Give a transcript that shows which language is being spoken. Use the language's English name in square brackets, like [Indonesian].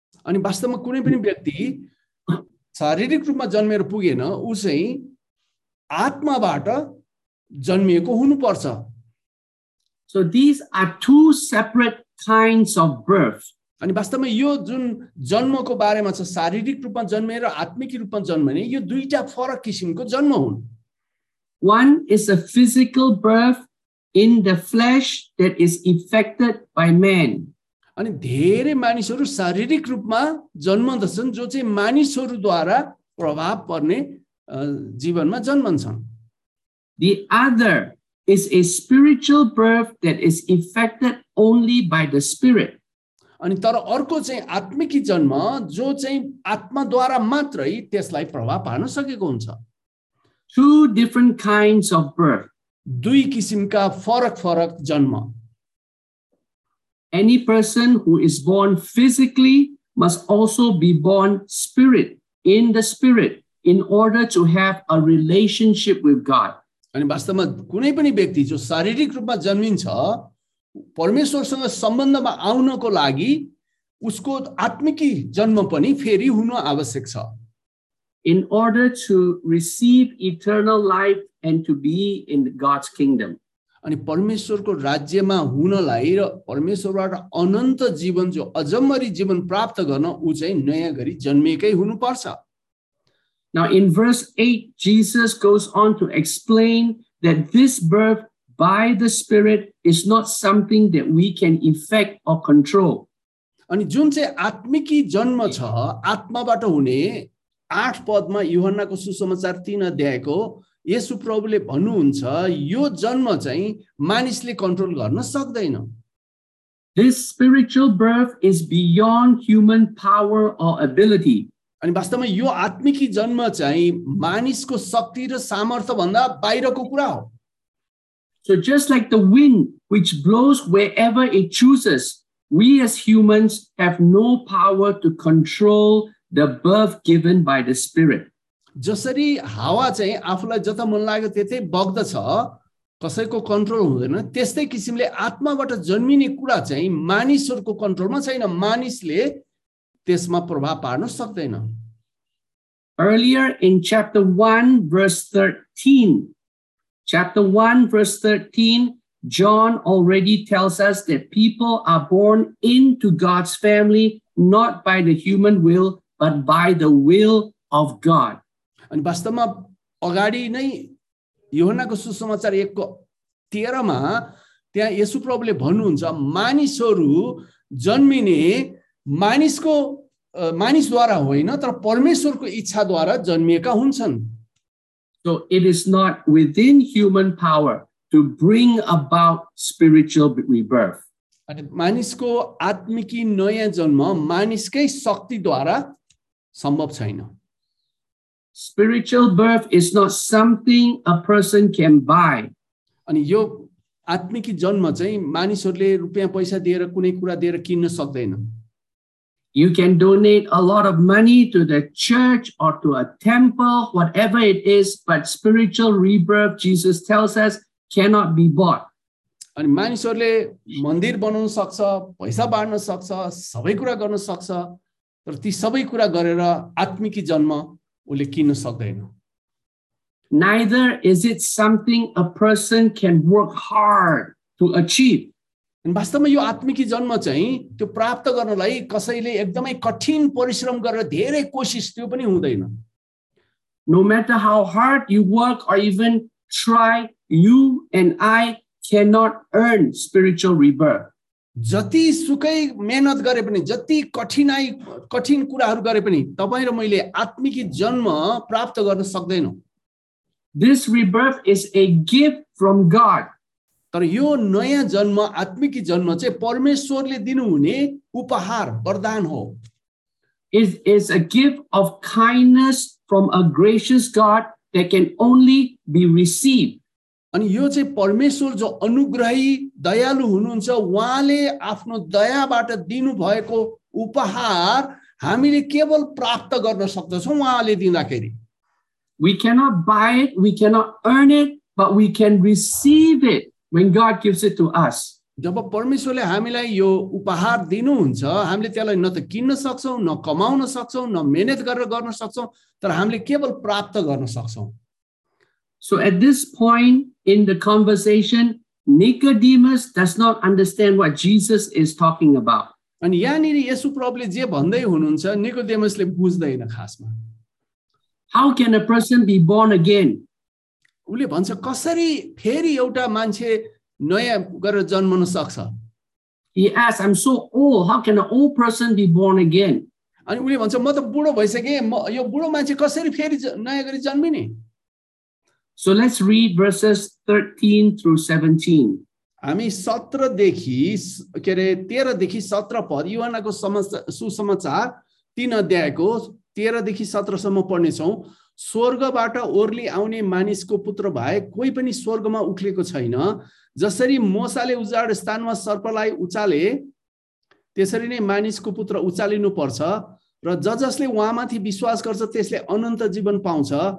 [Nepali] अनि वास्तवमा कुनै पनि व्यक्ति शारीरिक रूपमा जन्मेर पुगेन, उसै आत्माबाट जन्मिएको हुनुपर्छ. [English] So these are two separate kinds of birth. [Nepali] अनि वास्तवमा यो जुन जन्मको बारेमा छ, शारीरिक रूपमा जन्मे र आत्मिक रूपमा जन्मने, यो दुईटा फरक किसिमको जन्म हुन्. [English] One is a physical birth in the flesh that is effected by man. [Nepali] अनि धेरै मानिसहरू शारीरिक रूपमा जन्मदछन् जो चाहिँ मानिसहरूद्वारा प्रभाव पर्ने जीवनमा जन्मन्छन्. [English] The other is a spiritual birth that is effected only by the spirit. [Nepali] अनि तर अर्को चाहिँ आत्मिकी जन्म जो चाहिँ आत्माद्वारा मात्रै त्यसलाई प्रभाव पार्न सकेको हुन्छ. [English] Two different kinds of birth. [Nepali] दुई किसिमका फरक फरक जन्म. [English] Any person who is born physically must also be born spirit, in the spirit, in order to have a relationship with God. [Nepali] अनि वास्तवमा कुनै पनि व्यक्ति जो शारीरिक रूपमा जन्मिन्छ परमेश्वरसँग सम्बन्धमा आउनको लागि उसको आत्मिकी जन्म पनि फेरि हुन आवश्यक छ. [English] in order to receive eternal life and to be in God's kingdom. [Nepali] अनि परमेश्वरको राज्यमा हुनलाई र परमेश्वरबाट अनन्त जीवन जो अजम्मरी जीवन प्राप्त गर्न ऊ चाहिँ नयाँ गरी जन्मेकै हुनुपर्छ. [English] Now in verse 8, Jesus goes on to explain that this birth by the Spirit is not something that we can effect or control. [Nepali] अनि जुन चाहिँ आत्मिकी जन्म छ आत्माबाट हुने आठ पदमा युहन्नाको सुसमाचार 3 अध्यायको येशु प्रभुले भन्नुहुन्छ यो जन्म चाहिँ मानिसले कन्ट्रोल गर्न सक्दैन. [English] This spiritual birth is beyond human power or ability. [Nepali] अनि वास्तवमा यो आत्मिकी जन्म चाहिँ मानिसको शक्ति र सामर्थ्य भन्दा बाहिरको कुरा हो. [English] So just like the wind which blows wherever it chooses, we as humans have no power to control the birth given by the Spirit. [Nepali] जसरी हावा चाहिँ आफूलाई जता मन लाग्यो त्यतै बग्दछ कसैको कन्ट्रोल हुँदैन त्यस्तै किसिमले आत्माबाट जन्मिने कुरा चाहिँ मानिसहरूको कन्ट्रोलमा छैन मानिसले त्यसमा प्रभाव पार्न सक्दैन. [English] Earlier in chapter 1 verse 13, chapter 1 verse 13, John already tells us that people are born into God's family not by the human will but by the will of God. [Nepali] अनि वास्तवमा अगाडि नै योहन्नाको सुसमाचार 1:13 त्यहाँ येशु प्रभुले भन्नुहुन्छ मानिसहरू जन्मिने मानिसको मानिसद्वारा होइन तर परमेश्वरको इच्छाद्वारा जन्मिएका हुन्छन्. [English] So it is not within human power to bring about spiritual rebirth. [Nepali] अनि मानिसको आत्मिकी नयाँ जन्म मानिसकै शक्तिद्वारा सम्भव छैन. [English] Spiritual birth is not something a person can buy. [Nepali] अनि यो आत्मिकी जन्म चाहिँ मानिसहरूले रुपैयाँ पैसा दिएर कुनै कुरा दिएर किन्न सक्दैन. [English] You can donate a lot of money to the church or to a temple, whatever it is, but spiritual rebirth, Jesus tells us, cannot be bought. [Nepali] अनि मानिसहरूले मन्दिर बनाउन सक्छ पैसा बाँड्न सक्छ सबै कुरा गर्न सक्छ तर ती सबै कुरा गरेर आत्मिकी जन्म उले किन्न सक्दैन. [English] Neither is it something a person can work hard to achieve. [Nepali] वास्तवमा यो आत्मिकी जन्म चाहिँ त्यो प्राप्त गर्नलाई कसैले एकदमै कठिन परिश्रम गरेर धेरै कोसिस त्यो पनि हुँदैन. [English] No matter how hard you work or even try, you and I cannot earn spiritual rebirth. [Nepali] जति सुकै मेहनत गरे पनि जति कठिनाई कठिन कुराहरू गरे पनि तपाईँ र मैले आत्मिकी जन्म प्राप्त गर्न सक्दैनौँ. [English] This rebirth is a gift from God. [Nepali] तर यो नयाँ जन्म आत्मिकी जन्म चाहिँ परमेश्वरले दिनुहुने उपहार वरदान हो. [English] It is a gift of kindness from a gracious God that can only be received. [Nepali] अनि यो चाहिँ परमेश्वर जो अनुग्रही दयालु हुनुहुन्छ उहाँले आफ्नो दयाबाट दिनुभएको उपहार हामीले केवल प्राप्त गर्न सक्दछौँ उहाँले दिँदाखेरि. [English] We cannot buy it, we cannot earn it, but we can receive it when God gives it to us. [Nepali] जब परमेश्वरले हामीलाई यो उपहार दिनुहुन्छ हामीले त्यसलाई न त किन्न सक्छौँ न कमाउन सक्छौँ न मेहनत गरेर गर्न सक्छौँ तर हामीले केवल प्राप्त गर्न सक्छौँ. [English] So at this point in the conversation, Nicodemus does not understand what Jesus is talking about. [Nepali] अनि यहाँनिर येशु प्रभुले जे भन्दै हुनुहुन्छ निकोदेमसले बुझ्दैन खासमा. [English] How can a person be born again? [Nepali] उले भन्छ कसरी फेरि एउटा मान्छे नयाँ गरेर जन्मन सक्छ. [English] He asks, I'm so old, how can an old person be born again? [Nepali] अनि उले भन्छ म त बुढो भइसकेँ म यो बुढो मान्छे कसरी फेरि नयाँ गरी जन्मिने. [English] So let's read verses 13 through 17. [Nepali] हामी 17 देखि के रे 13 देखि 17 पद युहन्नाको सुसमाचार 3 अध्यायको 13 देखि 17 सम्म पढ्नेछौँ. स्वर्गबाट ओर्ली आउने मानिसको पुत्र भए कोही पनि स्वर्गमा उक्लेको छैन. जसरी मोसाले उजाड स्थानमा सर्पलाई उचाले त्यसरी नै मानिसको पुत्र उचालिनुपर्छ र ज जसले उहाँमाथि विश्वास गर्छ त्यसले अनन्त जीवन पाउँछ.